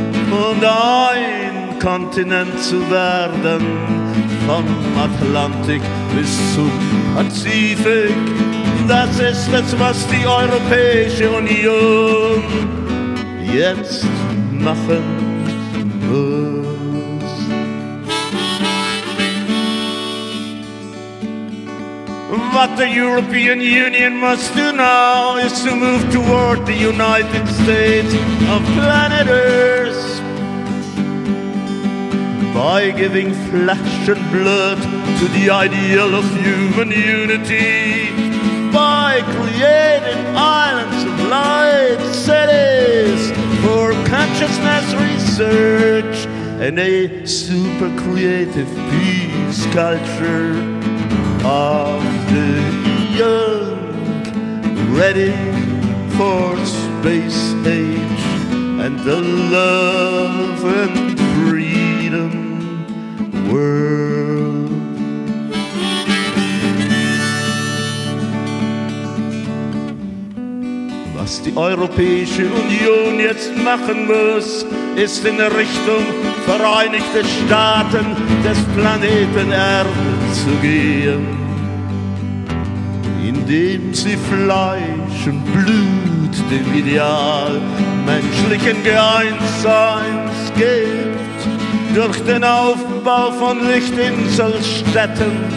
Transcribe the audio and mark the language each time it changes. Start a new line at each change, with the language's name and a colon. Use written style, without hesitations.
German: Und ein Kontinent zu werden, vom Atlantik bis zum Pazifik. Das ist es, was die Europäische Union jetzt machen muss.
English: What the European Union must do now is to move toward the United States of planet Earth by giving flesh and blood to the ideal of human unity, by creating islands of light, cities for consciousness research, and a super creative peace culture of the young, ready for space age and the love and freedom world.
German: Was die Europäische Union jetzt machen muss, ist in Richtung Vereinigte Staaten des Planeten Erde zu gehen, indem sie Fleisch und Blut dem Ideal menschlichen Geeintseins gibt, durch den Aufbau von Lichtinselstädten